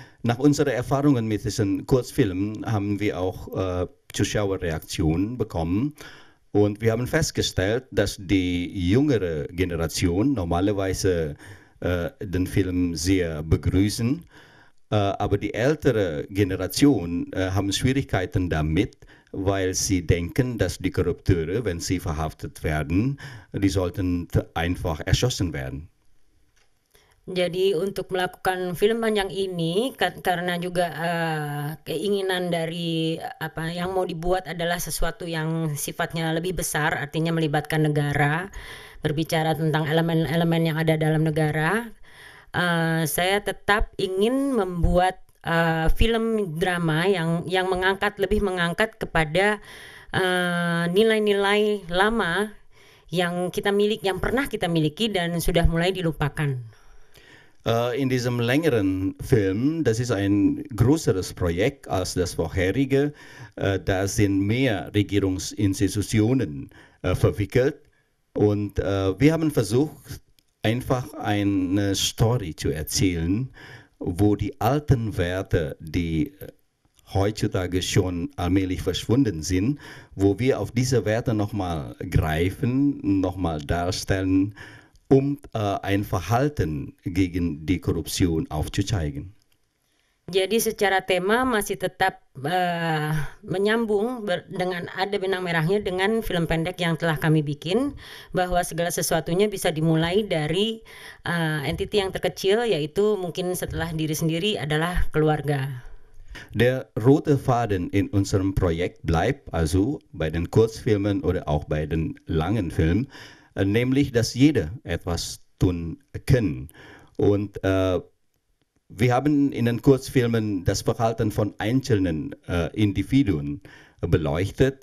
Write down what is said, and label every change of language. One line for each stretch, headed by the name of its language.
German: Nach unseren Erfahrungen mit diesen Kurzfilmen haben wir auch Zuschauerreaktionen bekommen, und wir haben festgestellt, dass die jüngere Generation normalerweise den Film sehr begrüßen, aber die ältere Generation haben Schwierigkeiten damit, weil sie denken, dass die Korrupteure, wenn sie verhaftet werden, die sollten einfach erschossen werden.
Indonesian: Jadi untuk melakukan film panjang ini karena juga keinginan dari apa yang mau dibuat adalah sesuatu yang sifatnya lebih besar, artinya melibatkan negara, berbicara tentang elemen-elemen yang ada dalam negara, saya tetap ingin membuat film drama yang mengangkat, lebih mengangkat kepada nilai-nilai lama yang kita miliki, yang pernah kita miliki dan sudah mulai dilupakan.
German: In diesem längeren Film, das ist ein größeres Projekt als das vorherige, da sind mehr Regierungsinstitutionen verwickelt, und wir haben versucht, einfach eine Story zu erzählen, wo die alten Werte, die heutzutage schon allmählich verschwunden sind, wo wir auf diese Werte nochmal greifen, nochmal darstellen, um ein Verhalten gegen die Korruption aufzuzeigen.
Indonesian: Jadi secara tema masih tetap menyambung dengan ada benang merahnya dengan film pendek yang telah kami bikin, bahwa segala sesuatunya bisa dimulai dari entiti yang terkecil, yaitu mungkin setelah diri sendiri adalah keluarga.
German: Der rote Faden in unserem Projekt bleibt also bei den Kurzfilmen oder auch bei den langen Filmen, nämlich, dass jeder etwas tun kann. Und wir haben in den Kurzfilmen das Verhalten von einzelnen Individuen beleuchtet.